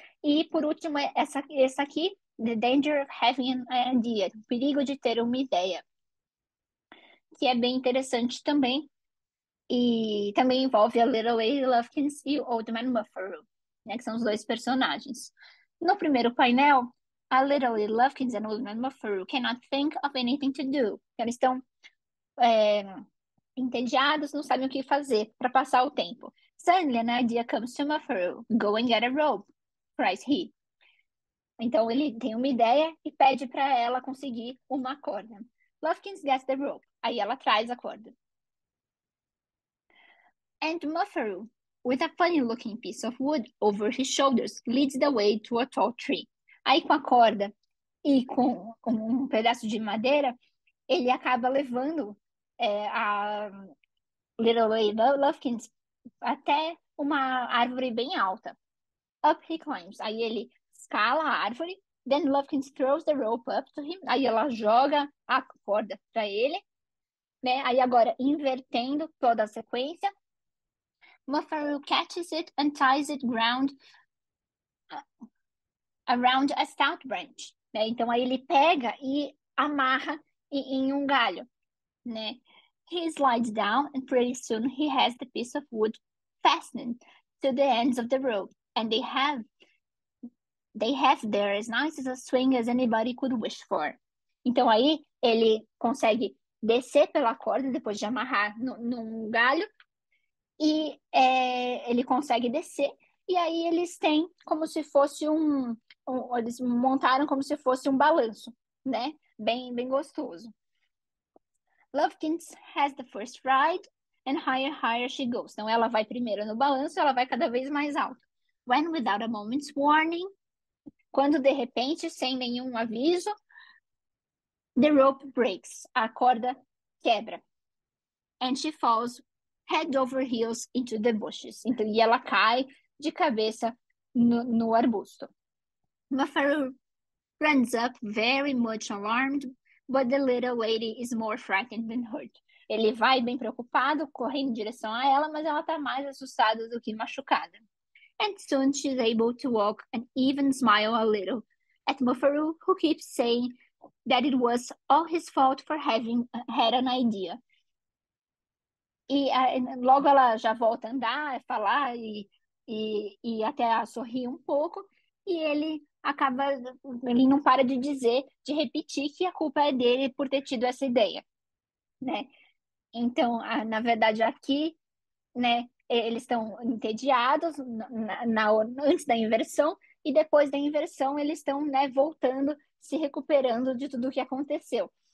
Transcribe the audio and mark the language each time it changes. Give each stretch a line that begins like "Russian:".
Portuguese: E por último, essa aqui,
English: The Danger of Having an Idea,
Portuguese: o perigo de ter uma ideia, que é bem interessante também, e também envolve a Little Lady Lufkins e o Old Man Mufferu, né, que são os dois personagens. No primeiro painel, a
English: Little Lady Lufkins and Old Man Mufferu cannot think of anything to do.
Portuguese: Eles estão entediados, não sabem o que fazer para passar o tempo.
English: Suddenly, an idea comes to Mufferu. Go and get a rope, cries he.
Portuguese: Então ele tem uma ideia e pede para ela conseguir uma corda.
English: Lufkins gets the rope.
Portuguese: Aí ela traz a corda.
English: And Mufferu, with a funny looking piece of wood over his shoulders, leads the way to a tall tree.
Portuguese: Aí com a corda e com um pedaço de madeira, ele acaba levando a Little Lady Lufkins até uma árvore bem alta.
English: Up he climbs.
Portuguese: Aí ele escala a árvore.
English: Then Lufkins throws the rope up to him.
Portuguese: Aí ela joga a corda para ele, né? Aí agora invertendo toda a sequência,
English: Mufaro catches it and ties it ground around a stout branch. Né?
Portuguese: Então aí ele pega e amarra em um galho, né?
English: He slides down and pretty soon he has the piece of wood fastened to the ends of the rope. And they have there as nice as a swing as anybody could wish for.
Portuguese: Então aí ele consegue descer pela corda depois de amarrar num galho e ele consegue descer e aí eles têm como se fosse eles montaram como se fosse um balanço, né? Bem, bem gostoso.
English: Lufkins has the first ride and higher, higher she goes.
Portuguese: Então ela vai primeiro no balanço, ela vai cada vez mais alto.
English: When without a moment's warning,
Portuguese: quando de repente, sem nenhum aviso,
English: the rope breaks,
Portuguese: a corda quebra.
English: And she falls head over heels into the bushes.
Portuguese: Então, e ela cai de cabeça no arbusto.
English: Mufaro runs up very much alarmed, but the little lady is more frightened than hurt.
Portuguese: Ele vai bem preocupado, correndo em direção a ela, mas ela está mais assustada do que machucada.
English: And soon she's able to walk and even smile a little at Mufaro, who keeps saying that it was all his fault for having had an idea.
Portuguese: E logo ela já volta a andar, falar e até a sorrir um pouco, e ele não para de dizer, de repetir que a culpa é dele por ter tido essa ideia, né? Então, na verdade, aqui, né, eles estão entediados antes da inversão, e depois da inversão eles estão, né, voltando, se recuperando de tudo o que aconteceu.